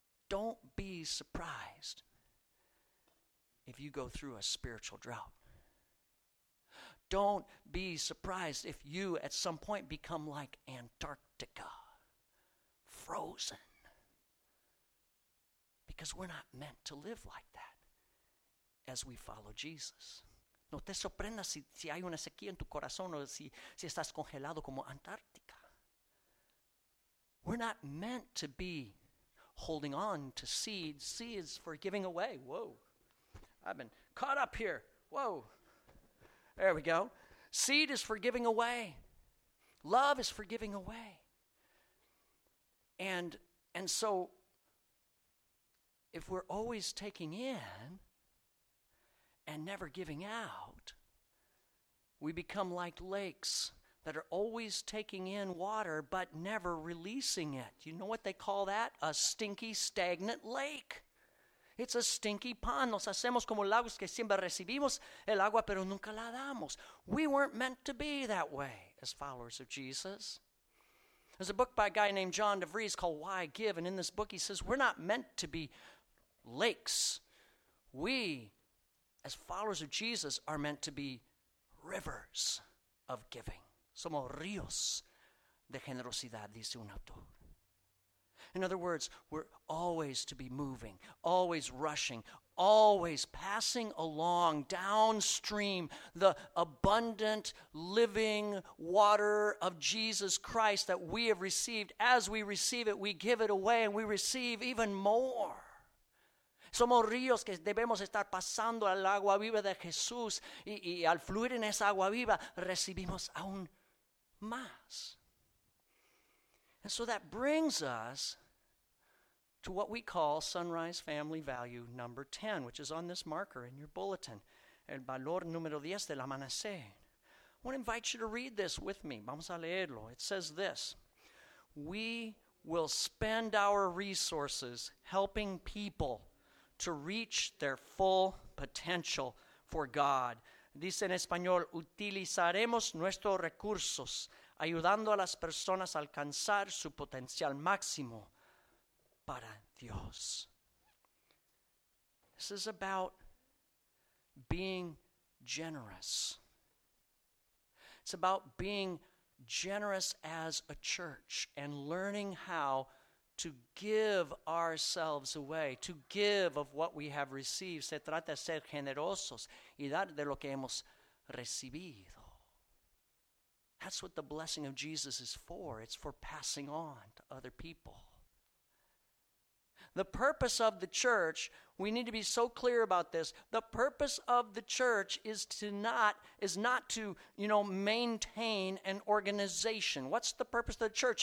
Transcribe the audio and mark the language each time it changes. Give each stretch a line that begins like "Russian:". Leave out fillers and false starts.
English: Don't be surprised if you go through a spiritual drought. Don't be surprised if you at some point become like Antarctica, frozen. Because we're not meant to live like that as we follow Jesus.
Spanish: No te sorprendas si hay una sequía en tu corazón o si estás congelado como Antártica.
English: We're not meant to be holding on to seeds. Seeds for giving away. Whoa. I've been caught up here. Whoa. There we go. Seed is for giving away. Love is for giving away. And so if we're always taking in and never giving out, we become like lakes that are always taking in water but never releasing it. You know what they call that? A stinky, stagnant lake. It's a stinky pond.
Spanish: Nos hacemos como lagos que siempre recibimos el agua pero nunca la damos.
English: We weren't meant to be that way as followers of Jesus. There's a book by a guy named John DeVries called Why Give, and in this book he says we're not meant to be lakes. We, as followers of Jesus, are meant to be rivers of giving.
Spanish: Somos ríos de generosidad, dice un autor.
English: In other words, we're always to be moving, always rushing, always passing along downstream the abundant living water of Jesus Christ that we have received. As we receive it, we give it away and we receive even more.
Spanish: Somos ríos que debemos estar pasando al agua viva de Jesús y al fluir en esa agua viva recibimos aún más.
English: And so that brings us to what we call Sunrise Family Value number 10, which is on this marker in your bulletin, el valor número 10 del amanecer. I want to invite you to read this with me. Vamos a leerlo. It says this: we will spend our resources helping people to reach their full potential for God.
Spanish: Dice en español, utilizaremos nuestros recursos ayudando a las personas a alcanzar su potencial máximo para Dios.
English: This is about being generous. It's about being generous as a church and learning how to give ourselves away, to give of what we have received.
Spanish: Se trata de ser generosos y dar de lo que hemos recibido.
English: That's what the blessing of Jesus is for. It's for passing on to other people. The purpose of the church, we need to be so clear about this. The purpose of the church is not to, you know, maintain an organization. What's the purpose of the church?